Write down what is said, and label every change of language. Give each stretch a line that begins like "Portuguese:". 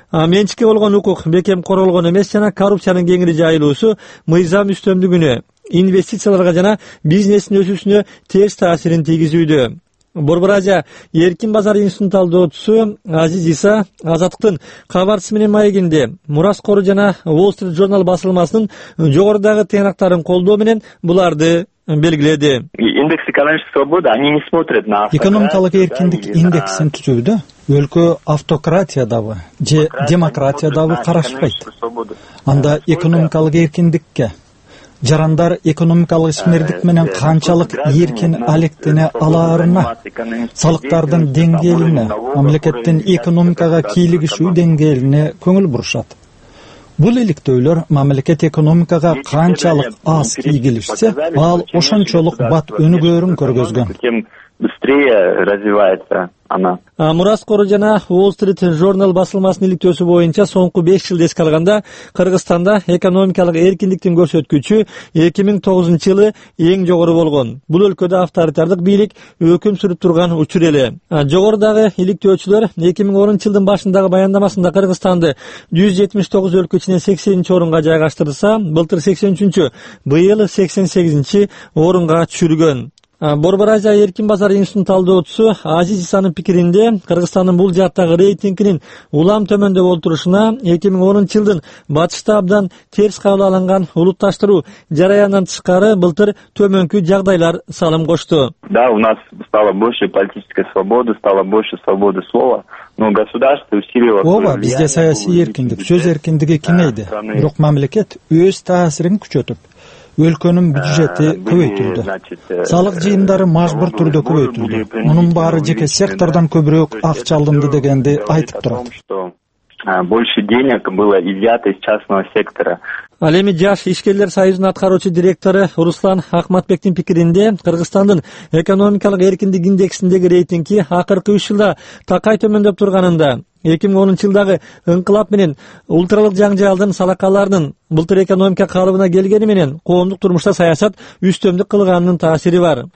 Kyrgyz: Менчикке болгон укук бекем королгон эмес жана коррупциянын кеңири жайылуусу мыйзам үстөмдүгүнө, инвестицияларга жана бизнестин өсүүсүнө теж таасирин тийгизүүдө. Борбор Азия эркин базар институтунун талдоочусу Азиз Иса Азаттыктын кабарчысы менен маегинде Мурас Кору жана Wall Street Journal басылмасынын жогорудагы тыянактарын колдоо менен буларды белгиледи.
Russian: Индекс экономической свободы, они не смотрят на
Kyrgyz: экономикалык эркиндик индексин түзүүдө өлкө автократиядабы же демократиядабы карашпайт. Анда экономикалык эркиндикке жарандар экономикалык ишмердик менен канчалык эркин алектене аларына, салыктардын деңгээлине, мамлекеттин экономикага кийлигишүү деңгээлине көңүл бурушат. Бул иликтөөлөр мамлекет экономикага канчалык аз кийгилишсе, ал ошончолук бат өнүгөөрүн көргөзгөн.
Russian: Быстрее развивается она.
Kyrgyz: Мурас Кору жана Wall Street Journal басылмасынын иликтөөсү боюнча соңку 5 жылды эске алганда Кыргызстанда экономикалык эркиндиктин көрсөткүчү 2009 жылы эң жогору болгон. Бул өлкөдө авторитардык бийлик өкүм сүрүп турган учур эле. Жогорудагы иликтөөчүлөр 2010 жылдын башындагы баяндамасында Кыргызстанды 179 өлкө ичинен 80 орунга жайгаштырса, былтыр 83, быйыл 88 орунга түшүргөн. Борбор Азия эркин базар институтунун талдоочусу Азиз Исанын пикиринде Кыргызстандын бул жааттагы рейтингинин улам төмөндөп отурушуна 2010 жылдын батышта абдан терс кабыл алынган улутташтыруу жараянынан тышкары былтыр төмөнкү жагдайлар салым кошту.
Russian: Да, у нас стало больше политической свободы, стало больше свободы слова.
Kyrgyz: Ооба, бизде саясий эркиндик, сөз эркиндиги кеңейди. Бирок мамлекет өз таасирин күчөтүп, өлкөнүн бюджети көбөйтүлдү. Салык жыйындары мажбур түрдө көбөйтүлдү. Мунун баары жеке сектордон көбүрөөк акча алынды дегенди айтып турат.
Russian: Больше денег было изъято из частного сектора.
Kyrgyz: Ал эми жаш ишкерлер союзунун аткаруучу директору Руслан Ахматбектин пикиринде Кыргызстандын экономикалык эркиндик индексиндеги рейтинги акыркы 3 жылда такай төмөндөп турганында, 2010 жылдагы ынкылап менен ультралык жаңжалдын салакаларынын былтыр экономика калыбына келгени менен коомдук турмушта саясат үстөмдүк кылганынын таасири бар.